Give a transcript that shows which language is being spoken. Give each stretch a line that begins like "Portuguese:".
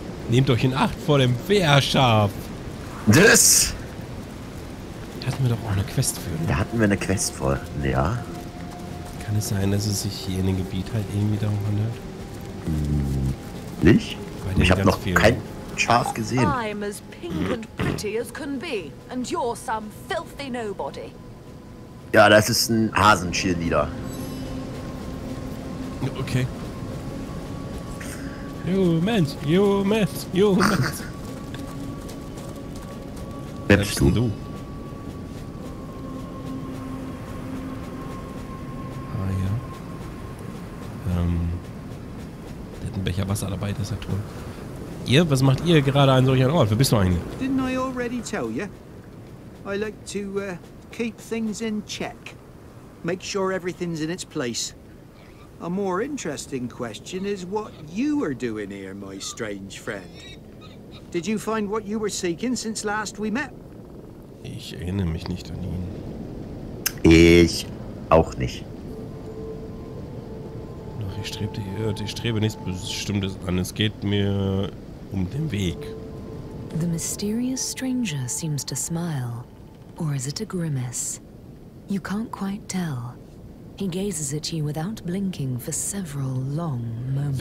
German: Nehmt euch in Acht vor dem Wehrschaf. Das hatten wir doch auch eine Quest für. Da hatten wir eine Quest vor, ja. Kann es sein, dass es sich hier in dem Gebiet halt irgendwie darum handelt? Nicht? Ich habe noch kein Schaf gesehen.
English: I'm as pink and pretty as can be, and you're some filthy nobody.
German: Ja, das ist ein Hasen-Cheerleader. Okay.
English: Humans, Humans, Humans.
German: Wer bist du? Ah ja. alten Becher Wasser dabei, das ist ja toll. Ihr, was macht ihr gerade an solch einem Ort? Wer bist du eigentlich?
English: Didn't I already tell you? I like to keep things in check. Make sure everything's in its place. A more interesting question is what you are doing here, my strange friend. Did you find what you were seeking since last we met?
German: Ich erinnere mich nicht an ihn. Ich auch nicht. Doch ich strebe nichts Bestimmtes an. Es geht mir um den Weg.
English: The mysterious stranger seems to smile. Or is it a grimace? You can't quite tell. He gazes at you without blinking for several long moments.